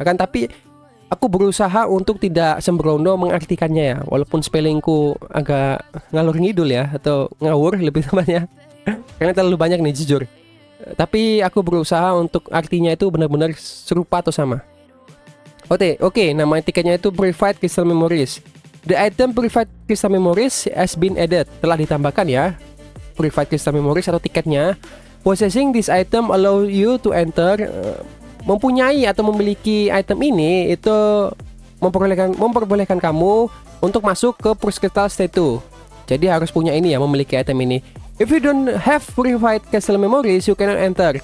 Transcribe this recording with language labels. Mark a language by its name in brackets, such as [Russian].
[Indonesian] Akan tapi aku berusaha untuk tidak sembrono mengartikannya ya, walaupun spellingku agak ngalur ngidul ya, atau ngawur lebih tepatnya. Karena terlalu banyak nih jujur. Tapi aku berusaha untuk artinya itu benar-benar serupa atau sama. Oke, nama tiketnya itu Purified Crystal Memories. [English] The item Purified Crystal Memories has been added. [Indonesian] Telah ditambahkan ya, Purified Crystal Memories atau tiketnya. [English] Possessing this item allow you to enter. [Indonesian] Mempunyai atau memiliki item ini itu memperbolehkan kamu untuk masuk ke Push Crystal Statue. Jadi harus punya ini ya, memiliki item ini. [English] If you don't have Purified Crystal Memories, you cannot enter.